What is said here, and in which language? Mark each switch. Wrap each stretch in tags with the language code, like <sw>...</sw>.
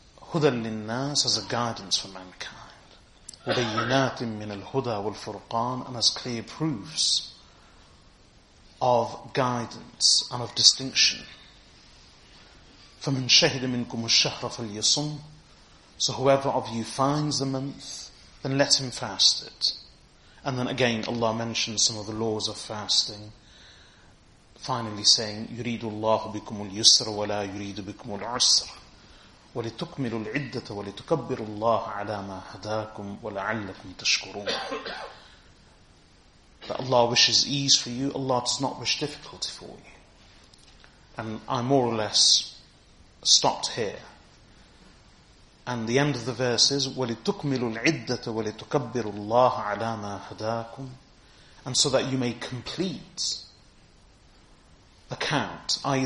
<ar>هُدًى لِلنَّاسِ,</ar> <en>as a guidance for mankind.</en> <ar>وَبَيِّنَاتٍ مِّنَ الْهُدَى وَالْفُرْقَانِ,</ar> <en>and as clear proofs of guidance and of distinction.</en> <ar>فَمَنْ شَهِدَ مِنْكُمُ الشَّهْرَ فَلْيَصُمْ,</ar> <en>so whoever of you finds the month, then let him fast it. And then again Allah mentions some of the laws of fasting, finally saying,</en> <ar>يُرِيدُ اللَّهُ بِكُمُ الْيُسْرَ وَلَا يُرِيدُ بِكُمُ الْعُسْرَ وَلِتُكْمِلُوا الْعِدَّةَ وَلِتُكَبِّرُ اللَّهَ عَلَى مَا هَدَاكُمْ وَلَعَلَّكُمْ تَشْكُرُونَ.</ar> <en>That Allah wishes ease for you, Allah does not wish difficulty for you. And I more or less stopped here. And the end of the verse is,</en> <ar>وَلِتُكْمِلُوا الْعِدَّةَ وَلِتُكَبِّرُوا اللَّهَ عَلَى مَا هَدَاكُمْ,</ar> <en>and so that you may complete the count, i.e.</en>